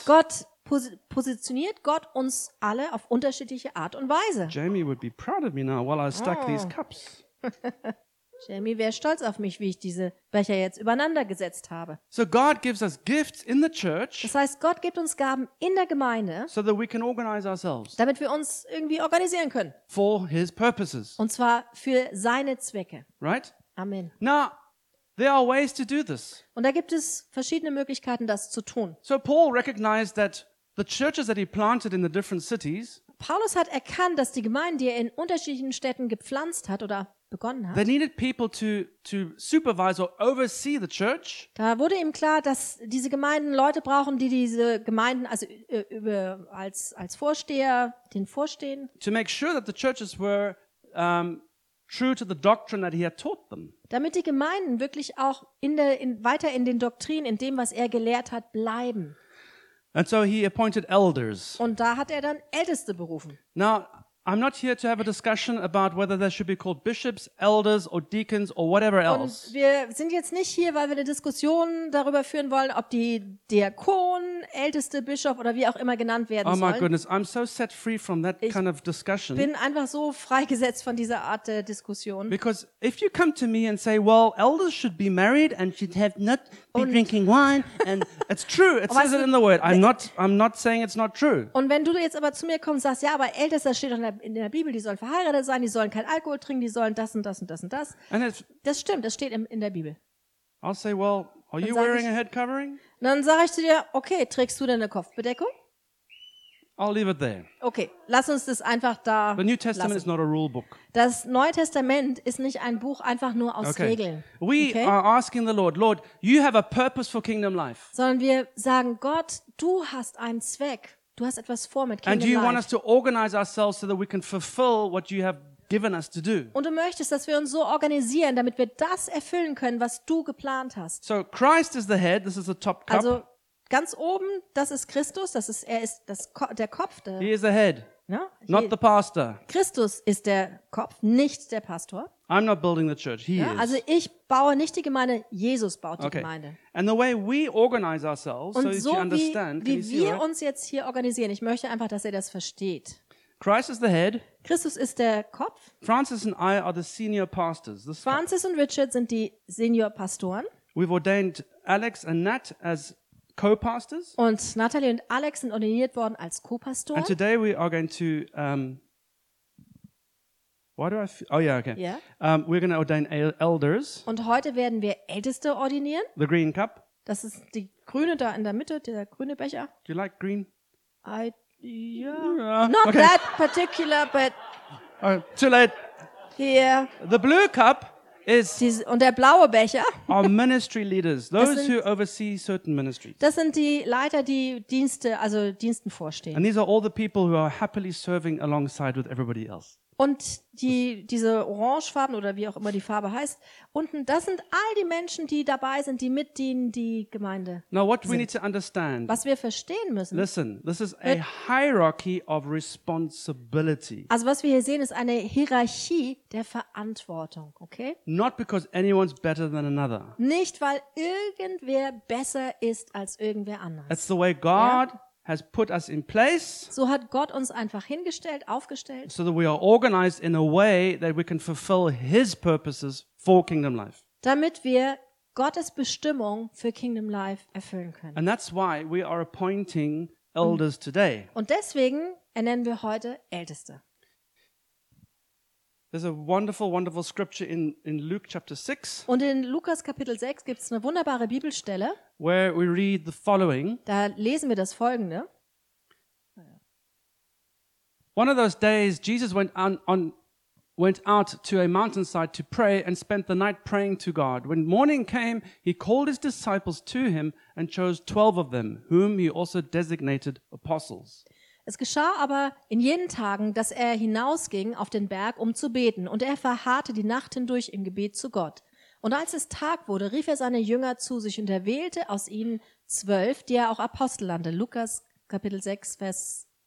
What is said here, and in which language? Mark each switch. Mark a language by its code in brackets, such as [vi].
[de] Gott positioniert Gott uns alle auf unterschiedliche Art und Weise. [en] Jamie would be proud of me now while I stack these cups. [de] Jamie wäre stolz auf mich, wie ich diese Becher jetzt übereinander gesetzt habe. [en] So God gives us gifts in the church. [de] Das heißt, Gott gibt uns Gaben in der Gemeinde. [en] So that we can organize ourselves. [de] Damit wir uns irgendwie organisieren können. [en] For his purposes. [de] Und zwar für seine Zwecke. [en] Right? Amen. Now, there are ways to do this. [de] Und da gibt es verschiedene Möglichkeiten, das zu tun. [en] So Paul recognized that the churches that he planted in the different cities, [de] Paulus hat erkannt, dass die Gemeinden, die er in unterschiedlichen Städten gepflanzt hat oder begonnen hat, [en] they needed people to supervise or oversee the church. [de] Da wurde ihm klar, dass diese Gemeinden Leute brauchen, die diese Gemeinden also als Vorsteher den vorstehen. [en] To make sure that the churches were true to the doctrine that he had taught them. [de] Damit die Gemeinden wirklich auch weiter in den Doktrinen, in dem, was er gelehrt hat, bleiben. [en] And so he appointed elders. [de] Und da hat er dann Älteste berufen. [en] Now, I'm not here to have a discussion about whether they should be called bishops, elders or deacons or whatever else. [de] Und wir sind jetzt nicht hier, weil wir eine Diskussion darüber führen wollen, ob die Diakon, Älteste, Bischof oder wie auch immer genannt werden sollen. [en] Oh my goodness, I'm so set free from that kind of discussion. [de] Ich bin einfach so freigesetzt von dieser Art der Diskussion. [en] Because if you come to me and say, well, elders should be married and should have not be [de] und [en] drinking wine and it's true, it says it in the word. I'm not saying it's not true. [de] Und wenn du jetzt aber zu mir kommst und sagst, ja, aber Älteste steht doch in der Bibel, die sollen verheiratet sein, die sollen kein Alkohol trinken, die sollen das und das und das und das. Das stimmt, das steht in der Bibel. [en] I'll say, well, are you wearing a head covering? [de] Dann sage ich zu dir, okay, trägst du denn eine Kopfbedeckung? [en] I'll leave it there. [de] Okay, lass uns das einfach da lassen. [en] The New Testament is not a rule book. [de] Das Neue Testament ist nicht ein Buch einfach nur aus Regeln. [en] We are asking the Lord, Lord, you have a purpose for kingdom life. [de] Sondern wir sagen, Gott, du hast einen Zweck. Du hast etwas vor mit Kingdom [en] Life. And you want us to organize ourselves so that we can fulfill what you have given us to do. [de] Und du möchtest, dass wir uns so organisieren, damit wir das erfüllen können, was du geplant hast. [en] So Christ is the head, this is the top cup. [de] Also ganz oben, das ist Christus, der Kopf, der. [en] He is the head. [de] Ja? [en] Not the pastor. [de] Christus ist der Kopf, nicht der Pastor. [en] I'm not building the church, he is. [de] Also ich baue nicht die Gemeinde, Jesus baut die Gemeinde. [en] And the way we organize ourselves, [de] und [en] so that you understand, [de] wie wir uns jetzt hier organisieren, ich möchte einfach, dass ihr das versteht. [en] Christ is the head. [de] Christus ist der Kopf. [en] Francis and I are the senior pastors. This [de] Francis [en] cup. [de] Und Richard sind die Senior Pastoren. [en] We've ordained Alex and Nat as co-pastors. [de] Und Natalie und Alex sind ordiniert worden als Co-Pastoren. [en] And today we are going to we're going to ordain elders. [de] Und heute werden wir Älteste ordinieren. [en] The green cup. [de] Das ist die grüne da in der Mitte, der grüne Becher. [en] Do you like green? Not that particular, but too late. Here. The blue cup is. [de] Und der blaue Becher. [en] Are ministry leaders, those who oversee certain ministries. [de] Das sind die Leiter, die Dienste, also Diensten vorstehen. [en] And these are all the people who are happily serving alongside with everybody else. [de] Und diese orangefarben oder wie auch immer die Farbe heißt, unten, das sind all die Menschen, die dabei sind, die mitdienen die Gemeinde. [en] Now what we need to understand, [de] was wir verstehen müssen. [en] Listen, this is a hierarchy of responsibility. [de] Also was wir hier sehen, ist eine Hierarchie der Verantwortung, okay? [en] Not because anyone's better than another. [de] Nicht weil irgendwer besser ist als irgendwer anders. [en] That's the way God has put us in place. [de] So hat Gott uns einfach hingestellt, aufgestellt. [en] So that we are organized in a way that we can fulfill his purposes for kingdom life. [de] Damit wir Gottes Bestimmung für kingdom life erfüllen können. [en] And that's why we are appointing elders today. [de] Und deswegen ernennen wir heute Älteste. [en] There's a wonderful, wonderful scripture in Luke chapter 6. [de] Und in Lukas Kapitel 6 gibt's eine wunderbare Bibelstelle. [en] Where we read the following. [de] Da lesen wir das Folgende. [en] One of those days, Jesus went out to a mountainside to pray and spent the night praying to God. When morning came, he called his disciples to him and chose 12 of them, whom he also designated apostles. [de] Es geschah aber in jenen Tagen, dass er hinausging auf den Berg, um zu beten, und er verharrte die Nacht hindurch im Gebet zu Gott. Und als es Tag wurde, rief er seine Jünger zu sich und erwählte aus ihnen 12, die er auch Apostel nannte. Lukas Kapitel 6, Vers